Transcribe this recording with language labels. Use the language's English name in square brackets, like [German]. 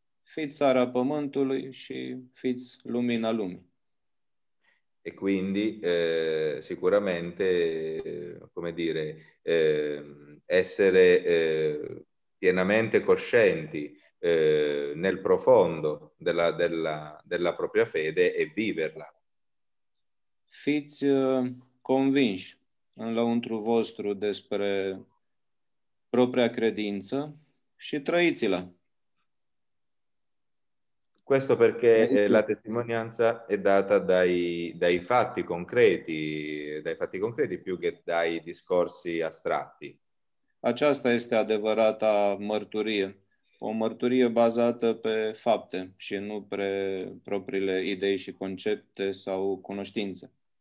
[Romanian] Fiți sarea pământului și fiți lumina lumii. [Italian] E quindi sicuramente, come dire, essere pienamente coscienti nel profondo della propria fede e viverla. [Romanian] Fiți convinși în lăuntru vostru despre propria credință și trăiți-la. [Italian] Questo perché la testimonianza è data dai fatti concreti più che dai discorsi astratti. [Romanian] Aceasta este adevărata mărturie, o mărturie bazată pe fapte și nu pe propriile idei și concepte sau cunoștințe.